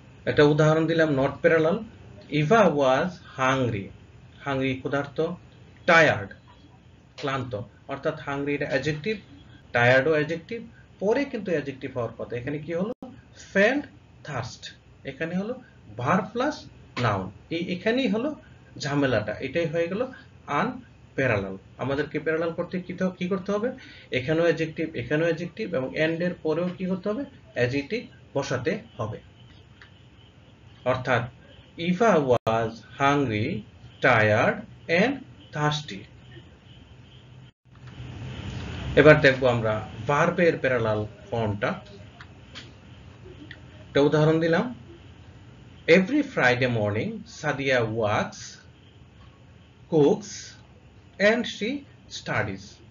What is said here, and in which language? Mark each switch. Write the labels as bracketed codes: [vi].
[bn] একটা উদাহরণ দিলাম, not parallel, Eva was hungry, hungry ক্ষুধার্ত, টায়ার্ড ক্লান্ত, অর্থাৎ হাংরি এটা অ্যাডজেক্টিভ, টায়ার্ডও অ্যাডজেক্টিভ, পরে কিন্তু অ্যাডজেক্টিভ হওয়ার কথা, এখানে কি হলো, ফেল্ট থার্স্ট, এখানে হলো ভার্ব প্লাস নাউন, এই এখানেই হলো ঝামেলাটা, এটাই হয়ে গেল আন প্যারালাল। আমাদেরকে প্যারালাল করতে কি করতে হবে, এখানেও অ্যাডজেক্টিভ, এখানেও অ্যাডজেক্টিভ, এবং এন্ড এর পরেও কি করতে হবে, অ্যাডজেক্টিভ বসাতে হবে, অর্থাৎ [en] Eva was hungry, tired and thirsty. [bn] এবার দেখবো আমরা ভার্বের প্যারালাল ফর্মটা। একটা উদাহরণ দিলাম, [en] Every Friday morning Sadia works cooks and she studies.